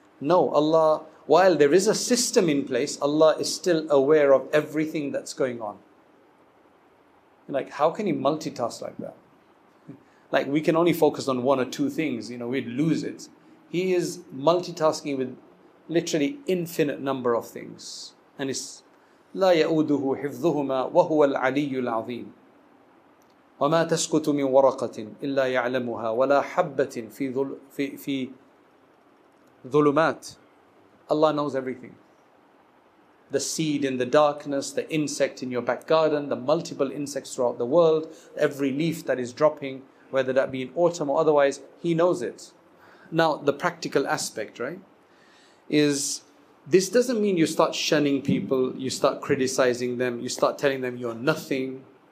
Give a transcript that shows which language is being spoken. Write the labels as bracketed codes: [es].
[en] No, Allah, while there is a system in place, Allah is still aware of everything that's going on. Like, how can he multitask like that? Like, we can only focus on one or two things, you know, we'd lose it. He is multitasking with literally infinite number of things. And it's [ar] لا يؤده حفظهما وهو العلي العظيم وما تسقط من ورقة إلا يعلمها ولا حبة في ظلمات. [en] Allah knows everything. The seed in the darkness, the insect in your back garden, the multiple insects throughout the world, every leaf that is dropping, whether that be in autumn or otherwise, he knows it. Now, the practical aspect, right, is this doesn't mean you start shunning people, you start criticizing them, you start telling them you're nothing.